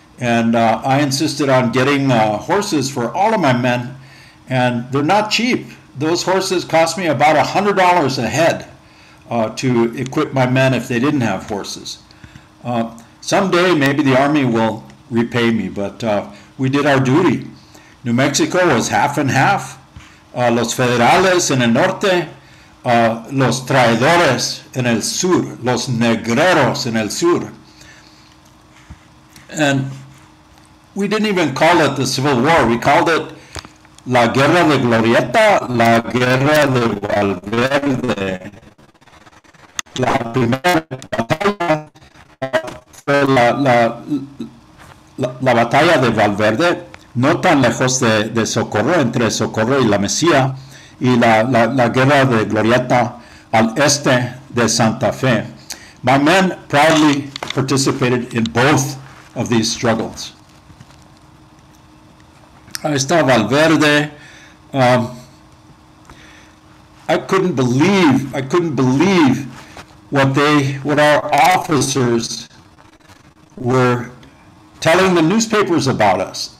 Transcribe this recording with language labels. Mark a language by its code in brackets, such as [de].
[en] And I insisted on getting horses for all of my men, and they're not cheap. Those horses cost me about $100 a head to equip my men if they didn't have horses. Someday, maybe the army will repay me, but we did our duty. New Mexico was half and half. [es] Los federales en el norte, los traidores en el sur, los negreros en el sur. [en] And we didn't even call it the Civil War. We called it La Guerra de Glorieta, La Guerra de Valverde. [es] La primera batalla fue la batalla de Valverde, no tan lejos de Socorro, entre Socorro y La Mesía, y la Guerra de Glorieta al este de Santa Fe. [en] My men proudly participated in both of these struggles. [es] Ahí está Valverde. [en] I couldn't believe what our officers were telling the newspapers about us.